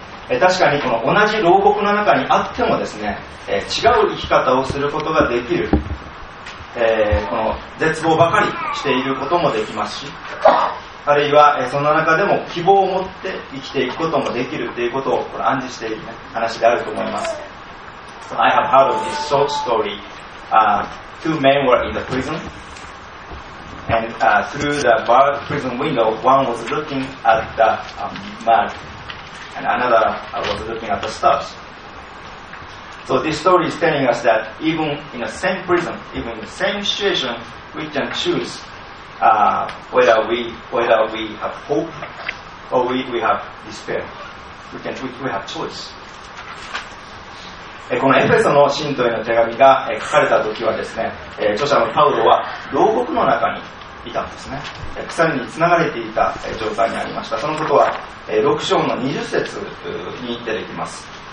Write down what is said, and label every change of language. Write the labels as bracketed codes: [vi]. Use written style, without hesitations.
[ja] 確かにこの同じ牢獄の中にあってもですね、違う生き方をすることができる、この絶望ばかりしていることもできますし、あるいはそんな中でも希望を持って生きていくこともできるということをこれ暗示している、ね、話であると思います。 [en] So I have heard of this short story. Two men were in the prison. And through the bar prison window, one was looking at the mud. And another was looking at the stars. So this story is telling us that even in the same prison, even in the same situation, we can choose whether we have hope or we have despair. We have choice. [ja] このエフェソの信徒への手紙が書かれた時はですね、著者のパウロは牢獄の中にいたんですね。鎖につながれていた状態にありました。そのことは6章の20節に出てきます。